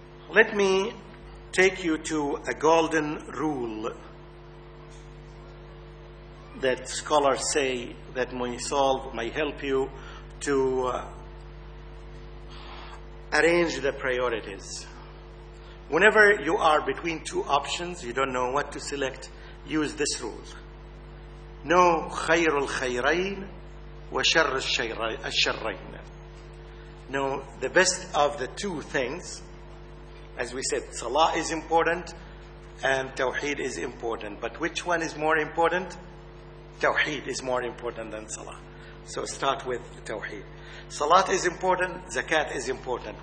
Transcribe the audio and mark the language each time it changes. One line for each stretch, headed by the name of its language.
English: Let me take you to a golden rule that scholars say that may solve, may help you to arrange the priorities. Whenever you are between two options, you don't know what to select, use this rule.
Arabic: No خير الخيرين وشر الشرين.
English: No, the best of the two things, as we said, salah is important and tawheed is important. But which one is more important? Tawheed is more important than salah. So start with tawheed. Salat is important, zakat is important.